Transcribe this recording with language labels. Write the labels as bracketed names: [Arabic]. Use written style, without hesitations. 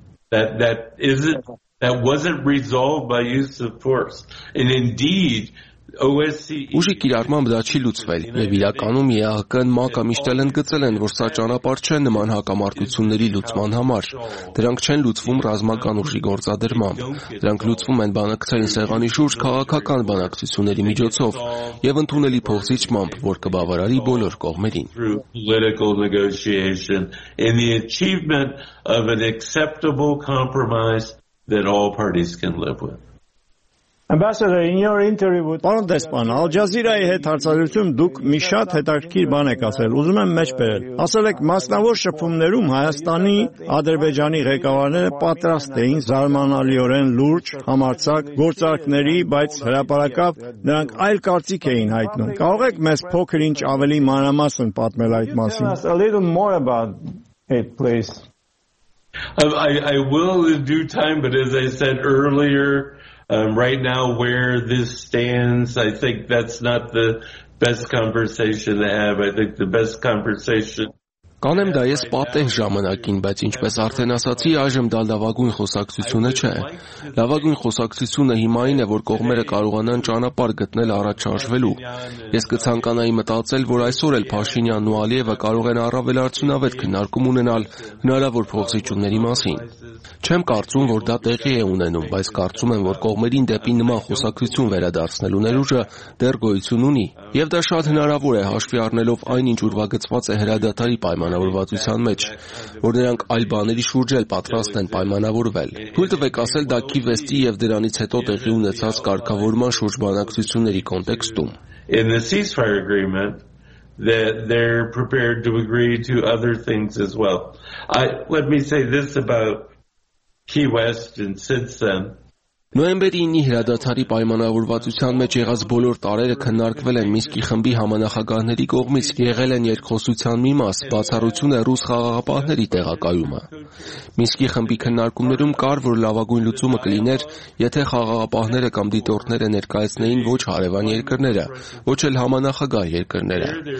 [English] That wasn't resolved by use of force. And indeed, [Armenian] ուժի կիրառմամբ դա չի լուծվել, եւ իրականում ԵԱՀԿ-ն ՄԱԿ-ը միշտ էլ ընդգծել են, որ սա ճանապարհ չէ նման հակամարտությունների լուծման համար։ Դրանք չեն լուծվում ռազմական ուժի գործադրմամբ, դրանք լուծվում են բանակցային սեղանի շուրջ քաղաքական բանակցությունների միջոցով եւ ընդունելի փոխզիջմամբ, որ կբավարարի բոլոր կողմերին։ [English] Political negotiation and the achievement of an acceptable compromise that all parties can live with. Ambassador, in your interview with [Armenian] Պարոն Դեսպան, Al Jazeera-ի հետ հարցազրույցում դուք մի շատ հետաքրքիր բան եք ասել, ուզում եմ մեջ բերել։ Ասել եք, մասնավոր շփումներում Հայաստանի, Ադրբեջանի ղեկավարները պատրաստ էին զարմանալիորեն լուրջ համարձակ գործարքների, բայց հրաապարակապ նրանք այլ կարծիք էին հայտնում։ Կարող եք մեզ փոքրինչ ավելի մանրամասն պատմել այդ մասին։ [English] A little more about it, please. I will in due time, but as I said earlier, right now where this stands, I think that's not the best conversation to have. I think the best conversation. [Armenian] Կանեմ դա ես պատեն ժամանակին, բայց ինչպես արդեն ասացի, այժմ դա լավագույն խոսակցությունը չէ։ Լավագույն խոսակցությունը հիմա այն է, որ կողմերը կարողանան ճանապարհ գտնել առաջարկվելու։ Ես կցանկանայի մտածել, որ այսօր էլ Փաշինյանն ու Ալիևը կարող են առավել արդյունավետ քննարկում ունենալ հնարավոր փոխզիջումների մասին։ Չեմ կարծում, որ դա տեղի է ունենում, բայց կարծում եմ, որ կողմերին դեպի նման խոսակցություն վերադարձնելու ներուժը դեռ գոյություն ունի, եւ դա շատ հնարավոր է հաշվի առնելով այն, ինչ ուրվագծված է հրադադարի պայմանավորվածության մեջ, որ նրանք այլ բաների շուրջ էլ պատրաստ են պայմանավորվել։ Թույլ տվեք ասել, դա Քիվեստի եւ դրանից հետո տեղի ունեցած կարգավորման շուրջ բանակցությունների կոնտեքստում։ [English] In the ceasefire agreement that they're prepared to agree to other things as well. Let me say this about Key West and since then. [Armenian] Նոյեմբերի 9-ի հրադադարի պայմանավորվածության մեջ եղած բոլոր տարերը քննարկվել են Միսկի խմբի համանախագահների կողմից, եղել են երկխոսության մի մաս, բացառություն է ռուս խաղաղապահների տեղակայումը։ Միսկի խմբի քննարկումներում կար, որ լավագույն լուծումը կլիներ, եթե խաղաղապահները կամ դիտորդները ներկայացնեին ոչ հարևան երկրները, ոչ էլ համանախագահ երկրները։